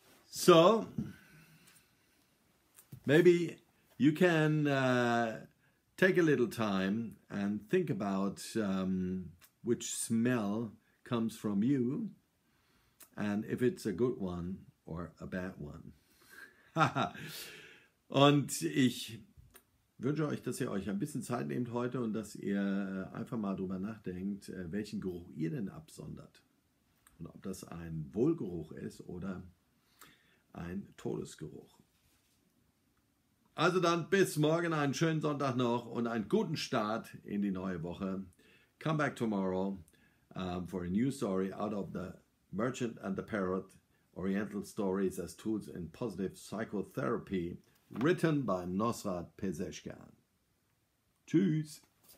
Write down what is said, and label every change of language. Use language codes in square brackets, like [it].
[en] So, maybe you can take a little time and think about which smell comes from you and if it's a good one or a bad one. [de] Und ich wünsche euch, dass ihr euch ein bisschen Zeit nehmt heute und dass ihr einfach mal drüber nachdenkt, welchen Geruch ihr denn absondert. Und ob das ein Wohlgeruch ist oder ein Todesgeruch. Also dann bis morgen, einen schönen Sonntag noch und einen guten Start in die neue Woche. [en] Come back tomorrow for a new story out of the Merchant and the Parrot, Oriental Stories as Tools in Positive Psychotherapy, written by Nosrat Pezeshkian. [de] Tschüss!